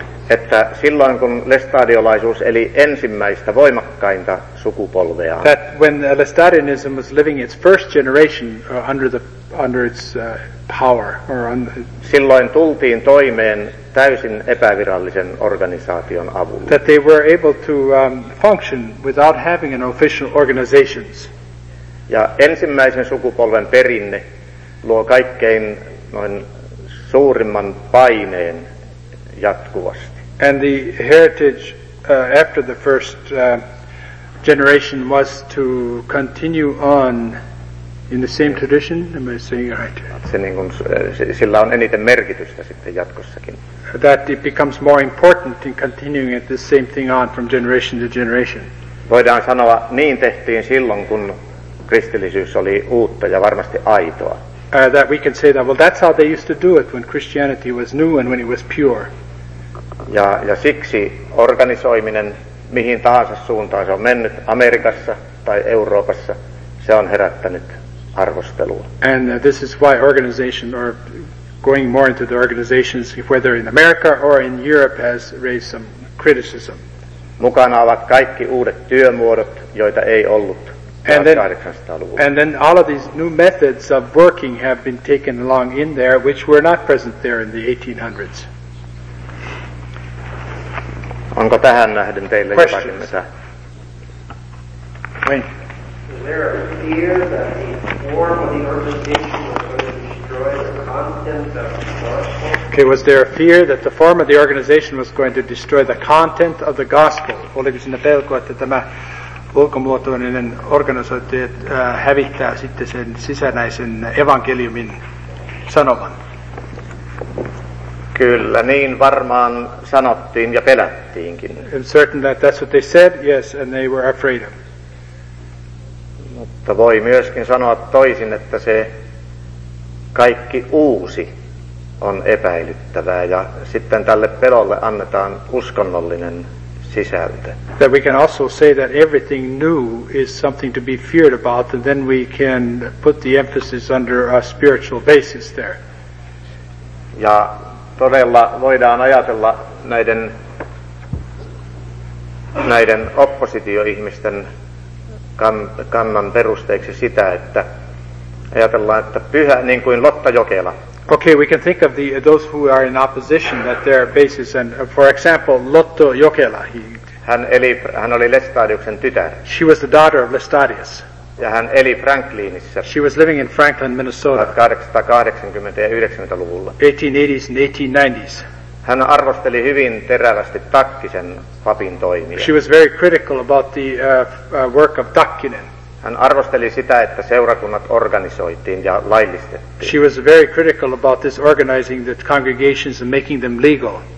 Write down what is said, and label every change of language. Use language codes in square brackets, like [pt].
[fi] että silloin kun lestadiolaisuus eli ensimmäistä voimakkainta sukupolvea, [en] that when Lestadianism was living its first generation under the under its power or on the, [fi] silloin tultiin toimeen täysin epävirallisen organisaation avulla. [en] That they were able to function without having an official organization. [fi] Ja ensimmäisen sukupolven perinne luo kaikkein noin suurimman paineen jatkuvasti. [en] And the heritage after the first generation was to continue on in the same tradition. Am I saying it right? [fi] Se niin kuin, sillä on eniten merkitystä sitten jatkossakin. [en] That it becomes more important in continuing it the same thing on from generation to generation. [fi] Voidaan sanoa, niin tehtiin silloin, kun kristillisyys oli uutta ja varmasti aitoa. [en] That we can say that, well, that's how they used to do it when Christianity was new and when it was pure. [fi] Ja siksi organisoiminen mihin tahansa suuntaan se on mennyt Amerikassa tai Euroopassa, se on herättänyt arvostelua. [en] And this is why organization or going more into the organizations whether in America or in Europe has raised some criticism. [fi] Mukana ovat kaikki uudet työmuodot, joita ei ollut 1800-luvulla. [en] And then all of these new methods of working have been taken along in there which were not present there in the 1800s. [fi] Onko tähän nähden teille [en] questions. [fi] Jotakin mitä? [en] Wait. Is there a fear that the form of the organization was going to destroy the content of the gospel? Okay, was there a fear that the form of the organization was going to destroy the content of the gospel? [fi] Oliko siinä pelko, että tämä ulkomuotoinen organisointi hävittää sitten sen sisäisen evankeliumin sanoman? Kyllä, niin varmaan sanottiin ja pelättiinkin. [en] I'm certain that that's what they said, yes, and they were afraid of. [fi] Mutta voi myöskin sanoa toisin, että se kaikki uusi on epäilyttävää, ja sitten tälle pelolle annetaan uskonnollinen sisältö. [en] That we can also say that everything new is something to be feared about, and then we can put the emphasis under a spiritual basis there. [fi] Ja todella voidaan ajatella näiden oppositioihmisten kannan perusteeksi sitä, että ajatellaan, että pyhä, niin kuin Lotta Jokela. [en] Okay, we can think of the those who are in opposition that their basis and for example Lotto Jokela. [fi] Hän oli Lestadiuksen tytär. [en] She was the daughter of Lestadius. [fi] Ja hän eli Franklinissa. [en] She was living in Franklin, Minnesota. [fi] 1880- ja 90-luvulla. [en] 1880s and 1890s. [fi] Hän arvosteli hyvin terävästi Takkisen papin toimia. [en] She was very critical about the work of Takkinen. [fi] Hän arvosteli sitä, että seurakunnat organisoitiin ja laillistettiin. [en] She was very critical about this organizing the congregations and making them legal.